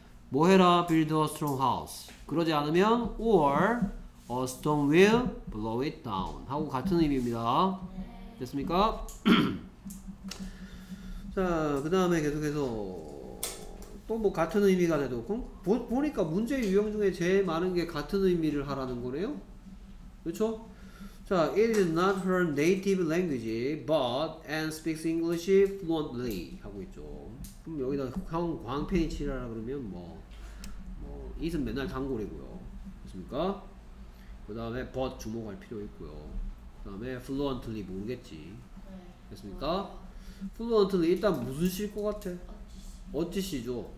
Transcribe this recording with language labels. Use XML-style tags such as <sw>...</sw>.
<ko>뭐 해라,</ko> <en>build a strong house.</en> <ko>그러지 않으면</ko> <en>or a storm will blow it down</en> <ko>하고 같은 의미입니다. 됐습니까? 자, 그 다음에 계속해서 또 뭐 같은 의미가 돼도 보니까 문제 유형 중에 제일 많은 게 같은 의미를 하라는 거네요. 그렇죠? 자,</ko> <en>It is not her native language, but Anne speaks English fluently</en> <ko>하고 있죠. 그럼 여기다 형 광팬이 치라라 그러면 뭐 It은 맨날 단골이고요. 그렇습니까? 그 다음에 but 주목할 필요 있고요. 그 다음에 fluently 모르겠지. 그렇습니까? 플루언트는 일단 무슨 시일 것 같아? 어찌 시죠?</ko>